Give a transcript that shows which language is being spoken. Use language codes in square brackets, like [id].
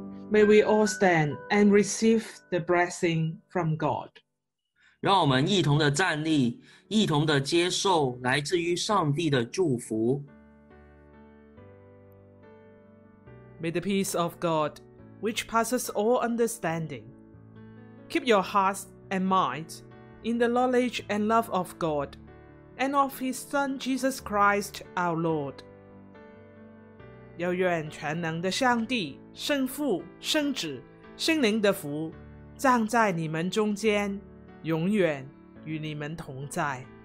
[en] May we all stand and receive the blessing from God. [zh] 让我们一同的站立，一同的接受来自于上帝的祝福。 [en] May the peace of God, which passes all understanding, keep your hearts and minds in the knowledge and love of God and of His Son Jesus Christ our Lord. [zh] 要愿全能的上帝、圣父、圣子、圣灵的福葬在你们中间，永远与你们同在。